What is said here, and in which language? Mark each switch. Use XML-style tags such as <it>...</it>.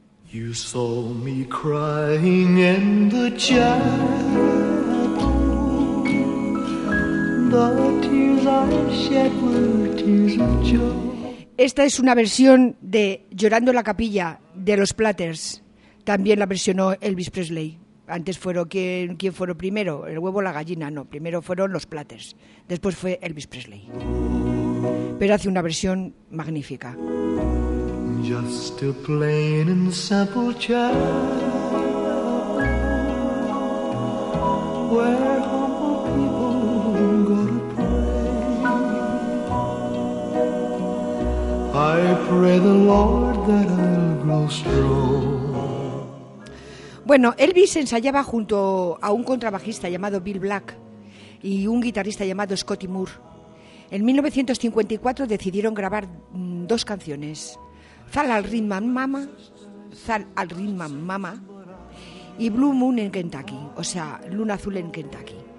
<en>You saw me crying in the chapel. The tears I shed were tears of joy.</en> <es>Esta es una versión de Llorando en la capilla de los Platters. También la versionó Elvis Presley. Antes fueron, ¿quién fueron primero? ¿El huevo o la gallina? No, primero fueron los Platters. Después fue Elvis Presley. Pero hace una versión magnífica.</es> <en>Just a plain and simple child, where humble people go to pray. I pray the Lord that I'll grow strong.</en> <es>Bueno, Elvis ensayaba junto a un contrabajista llamado Bill Black y un guitarrista llamado Scotty Moore. En 1954 decidieron grabar dos canciones. Zal al Rhythm and Mama, Zal al Rhythm and Mama y Blue Moon en Kentucky, o sea, Luna Azul en Kentucky.</es>